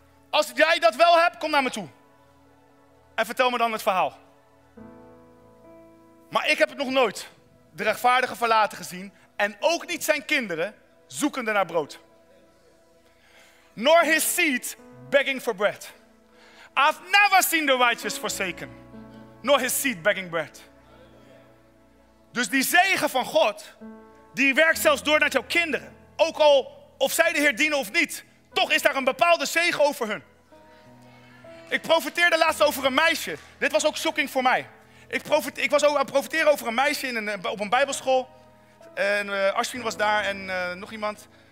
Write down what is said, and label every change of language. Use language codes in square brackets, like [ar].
[nl] Als jij dat wel hebt, kom naar me toe. En vertel me dan het verhaal. Maar ik heb het nog nooit de rechtvaardige verlaten gezien. En ook niet zijn kinderen zoekende naar brood. [en] Nor his seed begging for bread. I've never seen the righteous forsaken. Nor his seed begging bread. [nl] Dus die zegen van God, die werkt zelfs door naar jouw kinderen. Ook al of zij de Heer dienen of niet. Toch is daar een bepaalde zegen over hun. Ik profeteerde laatst over een meisje. Dit was ook shocking voor mij. Ik was aan het profeteren over een meisje op een bijbelschool. En Ashwin was daar en nog iemand.